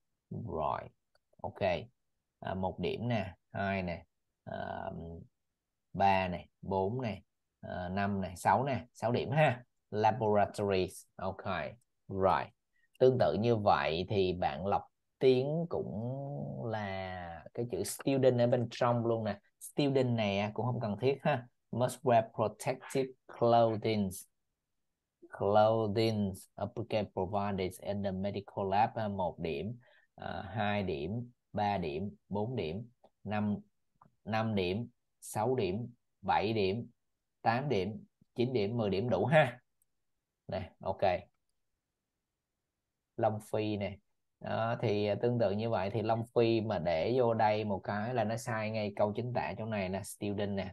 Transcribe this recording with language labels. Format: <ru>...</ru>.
<vi>Rồi, ok. Một điểm nè, hai nè, ba nè, bốn nè, năm nè, sáu nè, sáu điểm ha. Laboratories, ok. Rồi, tương tự như vậy thì bạn Lộc Tiến cũng là cái chữ student ở bên trong luôn nè. Student này cũng không cần thiết ha.</vi> <en>Must wear protective clothing okay, provided in the medical lab.</en> <vi>1 điểm, 2 điểm, 3 điểm, 4 điểm, 5 điểm, 6 điểm, 7 điểm, 8 điểm, 9 điểm, 10 điểm đủ ha. Nè, ok. Long Phi nè. Đó, thì tương tự như vậy thì Long Phi mà để vô đây một cái là nó sai ngay câu chính tả chỗ này là student nè.</vi>